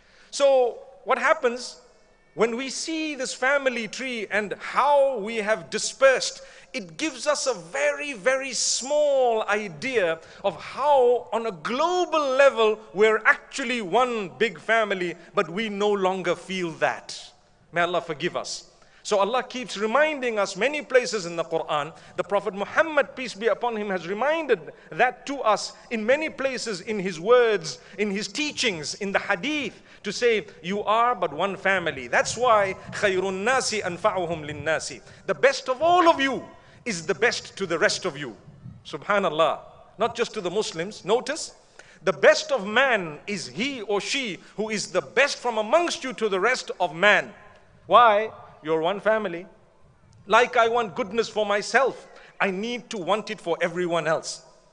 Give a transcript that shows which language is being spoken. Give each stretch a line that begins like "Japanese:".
English: So, what happens? When we see this family tree and how we have dispersed, it gives us a very, very small idea of how on a global level, we're actually one big family, but we no longer feel that. May Allah forgive us. So Allah keeps reminding us many places in the Quran. The Prophet Muhammad, peace be upon him, has reminded that to us in many places, in his words, in his teachings, in the hadith, to say, you are but one family. That's why,
Arabic: خَيْرٌ النَّاسِ أَنْفَعُهُمْ لِلنَّاسِ.
English: The best of all of you is the best to the rest of you. Subhanallah. Not just to the Muslims. Notice, the best of man is he or she who is the best from amongst you to the rest of man. Why? You're one family. Like I want goodness for myself, I need to want it for everyone else.